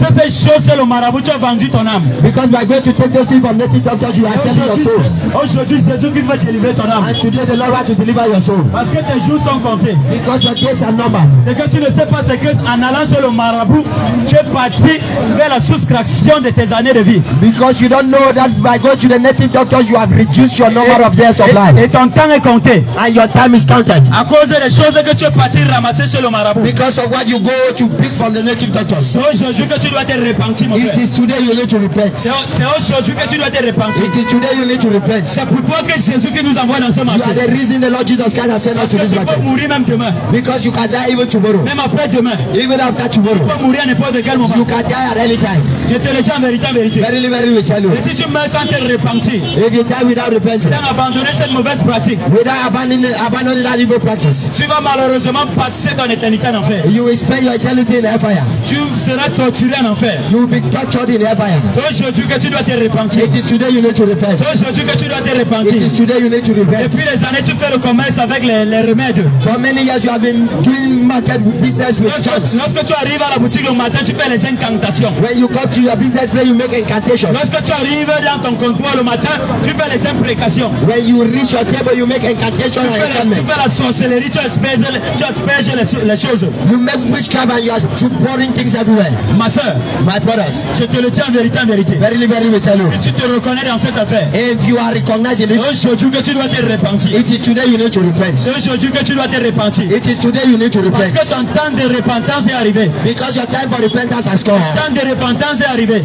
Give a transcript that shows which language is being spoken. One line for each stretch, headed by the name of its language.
French: fait ces choses, c'est le marabout, tu as vendu ton âme.
English: Because by going to take those things from the native doctors, you have selling your soul.
French: Aujourd'hui, Jésus qui va délivrer ton âme.
English: And today the Lord has to deliver your soul.
French: Parce que tes jours sont comptés.
English: Because your days are numbered.
French: Ce que tu ne sais pas, c'est que en allant chez le marabout, tu es parti vers la soustraction de tes années de vie.
English: Because you don't know that by going to the native doctors, you have reduced your number of years of life.
French: Et ton temps est compté.
English: And your time is counted.
French: À cause des choses que tu es parti ramasser chez le marabout.
English: Because of what you go to pick from the native doctors.
French: Aujourd'hui que tu dois te repentir, mon
English: frère. It is today you need to repent.
French: C'est aujourd'hui que tu dois te repentir.
English: It is today you need to repent.
French: C'est pourquoi que Jésus qui nous envoie dans ce marché.
English: You are the reason the Lord Jesus Christ has sent us to this market.
French: Tu peux mourir même demain.
English: Because you can die even tomorrow.
French: Même après demain.
English: Even after tomorrow.
French: Tu peux mourir à n'importe quel moment.
English: You can die at any time.
French: Je te le dis en vérité, en vérité.
English: Verily, verily, we tell you.
French: Et si tu meurs sans te repentir.
English: If you die without repentance.
French: Sans abandonner cette mauvaise pratique.
English: Without abandoning that evil practice.
French: Tu vas malheureusement passer ton éternité en enfer.
English: You will spend your eternity in hell fire.
French: Tu seras torturé en enfer.
English: You will be tortured in hell fire.
French: C'est aujourd'hui que tu dois te repentir.
English: It is today you need to repent.
French: C'est aujourd'hui que tu dois te repentir.
English: It is today you need to repent.
French: Depuis les années, tu fais le commerce avec les remèdes.
English: For many years you have been doing market business with charms.
French: Lorsque tu arrives à la boutique le matin, tu fais les incantations.
English: When you come to your business place, you make incantations.
French: Lorsque tu arrives dans ton comptoir le matin, tu fais les imprécations.
English: When you reach your table, you make incantations and enchantments.
French: Tu fais la sorcellerie, tu asperges les choses.
English: You make witchcraft and you are pouring things everywhere.
French: Ma soeur,
English: my brothers,
French: je te le dis en vérité, en vérité.
English: Verily, verily, we tell you.
French: Si tu te reconnais dans cette affaire,
English: if you are recognized in this,
French: aujourd'hui que tu dois te repentir.
English: It is today you need to repent.
French: Aujourd'hui que tu dois te repentir.
English: It is today you need to repent.
French: Parce que ton temps de repentance est arrivé.
English: Because your time for repentance has come.
French: Ton temps de repentance est arrivé.